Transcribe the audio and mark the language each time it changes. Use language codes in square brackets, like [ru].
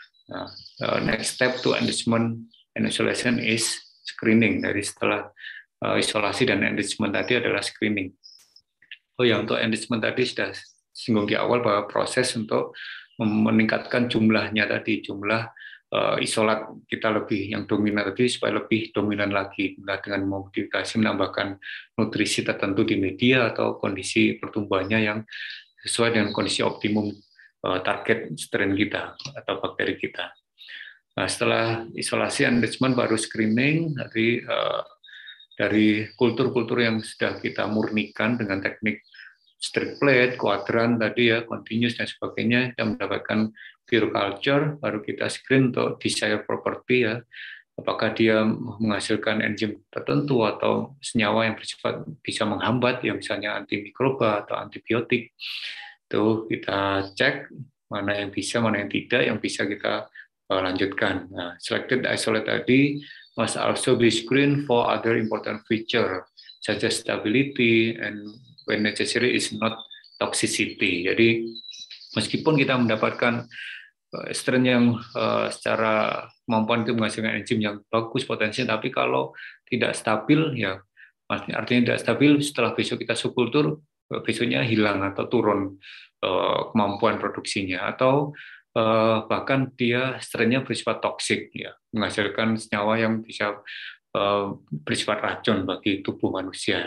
[en] Nah, next step to enrichment and isolation is screening. [id] Dari setelah isolasi dan enrichment tadi adalah screening. Oh ya, untuk enrichment tadi sudah singgung di awal bahwa proses untuk meningkatkan jumlahnya tadi, jumlah isolat kita lebih yang dominan tadi supaya lebih dominan lagi, nah, dengan modifikasi menambahkan nutrisi tertentu di media atau kondisi pertumbuhannya yang sesuai dengan kondisi optimum target strain kita atau bakteri kita. Nah, setelah isolasi enrichment baru screening, nanti dari kultur-kultur yang sudah kita murnikan dengan teknik strip plate, kuadran tadi ya, continuous dan sebagainya, kita mendapatkan pure culture, baru kita screen untuk desired property ya, apakah dia menghasilkan enzim tertentu atau senyawa yang bersifat bisa menghambat, ya misalnya antimikroba atau antibiotik, itu kita cek mana yang bisa, mana yang tidak, yang bisa kita lanjutkan. [en] Nah, selected isolate tadi must also be screened for other important feature, such as stability and when necessary is not toxicity. [id] Jadi meskipun kita mendapatkan strain yang secara kemampuan itu menghasilkan enzim yang bagus potensinya, tapi kalau tidak stabil, ya artinya tidak stabil, setelah besok kita subkultur, besoknya hilang atau turun kemampuan produksinya, atau bahkan dia strain-nya bersifat toksik, ya, menghasilkan senyawa yang bisa bersifat racun bagi tubuh manusia.